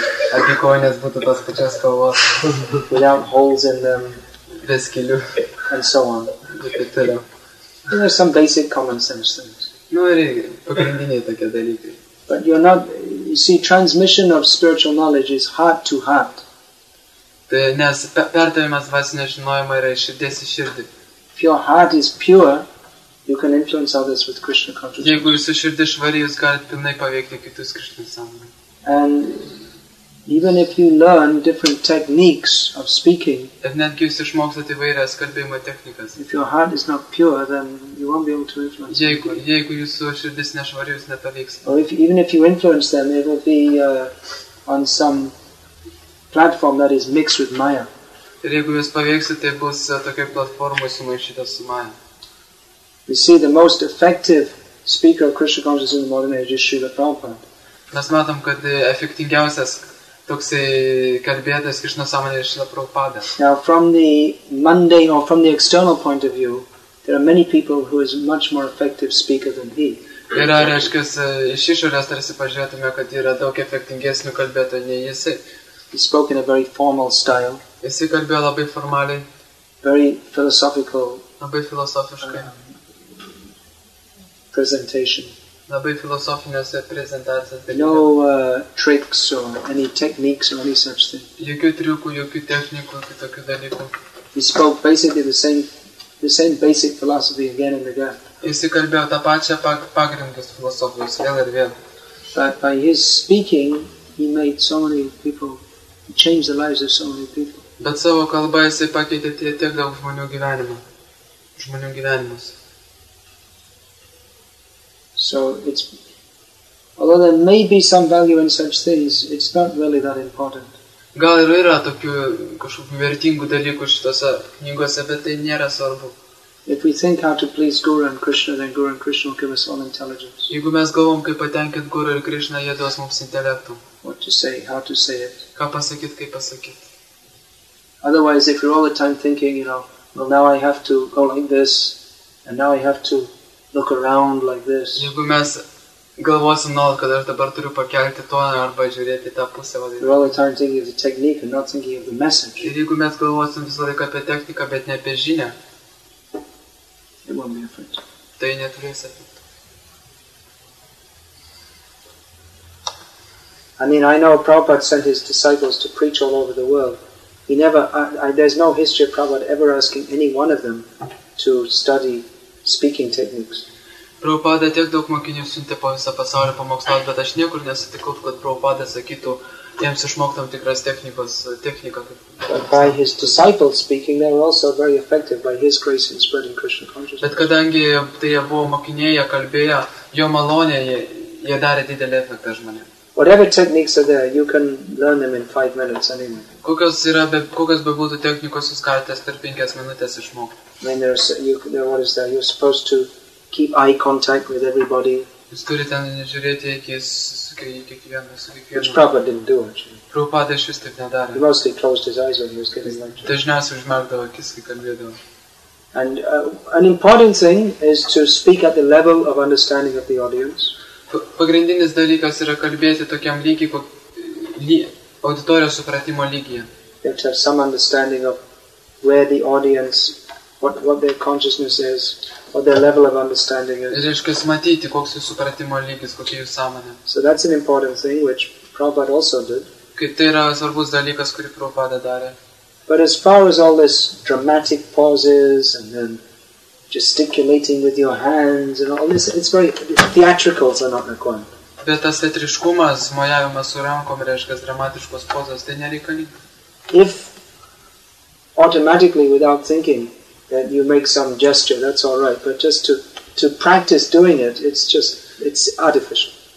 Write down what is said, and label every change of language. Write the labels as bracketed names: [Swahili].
[Lithuanian] Abi kojinės būtų tos pačios spalvos. [English] Without holes in them. [Lithuanian] Be skilių. [English] And so on. [Lithuanian] Ir taip toliau. [English] There are some basic common sense things. [Lithuanian] Nu, ir pagrindiniai tokie dalykai. [English] But you're not... You see, transmission of spiritual knowledge is heart to heart. [Lithuanian] Tai, nes perdavimas dvasinio žinojimo yra iš širdies į širdį. [English] If your heart is pure, you can influence others with Krishna consciousness. [Lithuanian] Jeigu jūsų širdis švari, jūs galite pilnai paveikti kitus Krishna sąmonę. [English] And even if you learn different techniques of speaking, [Lithuanian] ir netgi jūs išmoksite įvairias kalbėjimo technikas, [English] if your heart is not pure, then you won't be able to influence them. [Lithuanian] Jeigu jūsų širdis nešvari, jūs nepavyks. [English] Or if, even if you influence them, it will be on some platform that is mixed with Maya. [Lithuanian] Ir jeigu jūs paveiksit, tai bus tokia platforma sumaišyta su Maya. [English] You see, the most effective speaker of Krishna consciousness in the modern age is Srila Prabhupada. [Lithuanian] Mes matom, kad efektingiausias toksai kalbėtas Krishna sąmonė yra Srila Prabhupada. [English] Now, from the mundane or from the external point of view, there are many people who is much more effective speaker than he. [Lithuanian] Yra, reiškia, iš išorės tarsi pažiūrėtume, kad yra daug efektingesnių kalbėtų nei jisai. [English] He spoke in a very formal style. [Lithuanian] Jisai kalbėjo labai formaliai. [English] Very philosophical. [Lithuanian] Labai filosofiškai. [English] Presentation. [Lithuanian] Labai filosofinės prezentacijos. [English] No tricks or any techniques or any such thing. [Lithuanian] Jokių triukų, jokių technikų, kitokių dalykų. [English] He spoke basically the same basic philosophy again and again. [Lithuanian] Jisai kalbėjo tą pačią pagrindus filosofijos vėl ir vėl. [English] But by his speaking, he made so many people, he changed the lives of so many people. [Lithuanian] Bet savo kalba jisai pakeitė tiek daug žmonių gyvenimą. Žmonių gyvenimus. [English] So it's... Although there may be some value in such things, it's not really that important. [Lithuanian] Gal ir yra tokių kažkokių vertingų dalykų šitose knygose, bet tai nėra svarbu. [English] If we think how to please Guru and Krishna, then Guru and Krishna will give us all intelligence. [Lithuanian] Jeigu mes galvom, kaip patenkint Guru ir Krishna, jie duos mums intelektų. [English] What to say, how to say it. [Lithuanian] Ką pasakyt, kaip pasakyt. [English] Otherwise, if you're all the time thinking, you know, well, now I have to go like this, and now I have to look around like this. [Lithuanian] Jeigu mes galvosim nol, kad aš dabar turiu pakelti toną arba žiūrėti tą pusę. [English] You're all the time thinking of the technique and not thinking of the message. [Lithuanian] Ir jeigu mes galvosim visą laiką apie techniką, bet ne apie žinę, [English] it won't be a friend. [Lithuanian] Tai neturės efektų. [English] I mean, I know Prabhupada sent his disciples to preach all over the world. He never, there's no history of Prabhupada ever asking any one of them to study speaking techniques. [Lithuanian] Prabhupada tiek daug mokinių siuntė po visą pasaulį pamokslauti, bet aš niekur nesutikau, kad Prabhupada sakytų, jiems išmoktam tikras techniką. [English] But by his disciples speaking, they were also very effective by his grace in spreading Krishna consciousness. [Lithuanian] Bet kadangi tai jie buvo mokiniai, jie kalbėjo, jo malonė, jie darė didelį efektą žmonėm. [English] Whatever techniques are there, you can learn them in 5 minutes anyway. [Lithuanian] Kokios bebūtų technikos, jūs galite per 5 minutes išmokti. [English] You're supposed to keep eye contact with everybody. [Lithuanian] Jūs turite žiūrėti į akis su kiekvienu. [English] Which Prabhupada didn't do, actually. [Lithuanian] Prabhupada išvis taip nedarė. [English] He mostly closed his eyes when he was giving lecture. [Lithuanian] Dažniausiai užmerkdavo akis, kai kalbėdavo. [English] And an important thing is to speak at the level of understanding of the audience. [Lithuanian] Pagrindinis dalykas yra kalbėti tokiam lygiai, auditorijos supratimo lygyje. [English] You have to have some understanding of where the audience, what their consciousness is, what their level of understanding is. [Lithuanian] Reiškia, matyti, koks jų supratimo lygis, kokia jų sąmonė. [English] So that's an important thing, which Prabhupada also did. [Lithuanian] Tai yra svarbus dalykas, kurį Prabhupada darė. [English] But as far as all this dramatic pauses and then gesticulating with your hands and all this, it's very theatricals are not required. [Lithuanian] Bet tas teatriškumas, mojavimas su rankom, reiškia dramatiškos pozos, tai nereikalinga. [English] If automatically without thinking that you make some gesture, that's all right, but just to practice doing it, it's artificial.